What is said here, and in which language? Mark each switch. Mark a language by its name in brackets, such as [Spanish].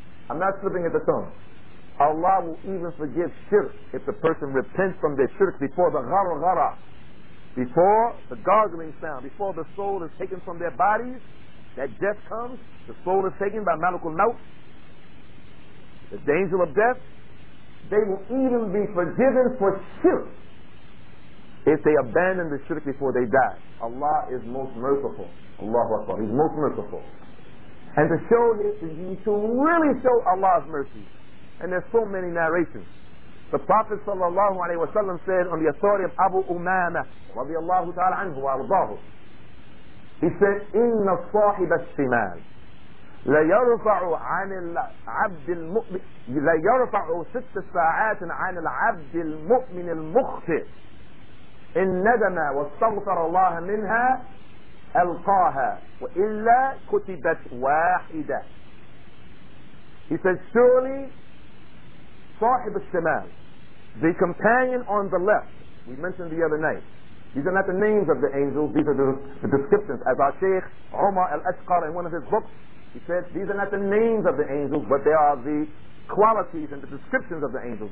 [English] I'm not slipping at the tongue. Allah will even forgive shirk if the person repents from their shirk before the ghar-ghara, before the gargling sound, before the soul is taken from their bodies, that death comes, the soul is taken by Malakul Maut, the angel of death, they will even be forgiven for shirk if they abandon the shirk before they die. Allah is most merciful. Allahu Akbar, He's most merciful. And to show this, to really show Allah's mercy, and there's so many narrations. The Prophet sallallahu alayhi wa sallam said on the authority of Abu Umama radiallahu ta'ala anhu wa arzahu, he said, [Arabic] إِنَّ صَاحِبَ الشِّمَالِ لَيَرْفَعُ عَنِ الْعَبْدِ الْمُؤْمِنِ لَيَرْفَعُ سِتَّ سَاعَاتٍ عَنِ الْعَبْدِ الْمُؤْمِنِ الْمُخْتِرِ إِنْ نَدَمَا وَاسْتَغْفَرَ اللَّهَ مِنْهَا أَلْقَاهَا وَإِلَّا كُتِبَتْ وَاحِدَةً. [English] He said, surely [Arabic] صاحب الشمال, [English] the companion on the left, we mentioned the other night, these are not the names of the angels, these are the descriptions. As our Shaykh Omar Al-Ashqar in one of his books, he said, these are not the names of the angels, but they are the qualities and the descriptions of the angels.